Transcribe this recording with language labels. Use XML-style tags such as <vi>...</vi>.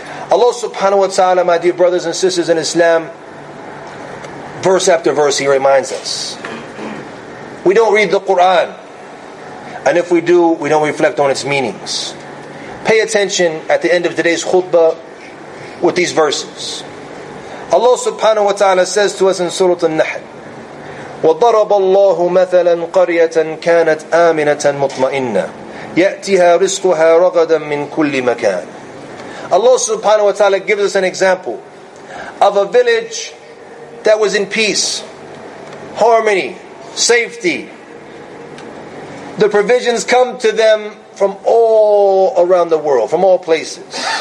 <en>Allah subhanahu wa ta'ala, my dear brothers and sisters in Islam, verse after verse He reminds us. We don't read the Qur'an, and if we do, we don't reflect on its meanings. Pay attention at the end of today's khutbah with these verses. Allah subhanahu wa ta'ala says to us in Surah An-Nahl,</en> <ar>وَضَرَبَ اللَّهُ مَثَلًا قَرْيَةً كَانَتْ آمِنَةً مُطْمَئِنَّةً يَأْتِهَا رِزْقُهَا رَغَدًا مِّن كُلِّ مَكَانٍ.</ar> <en>Allah subhanahu wa ta'ala gives us an example of a village that was in peace, harmony, safety. The provisions come to them from all around the world, from all places.</en>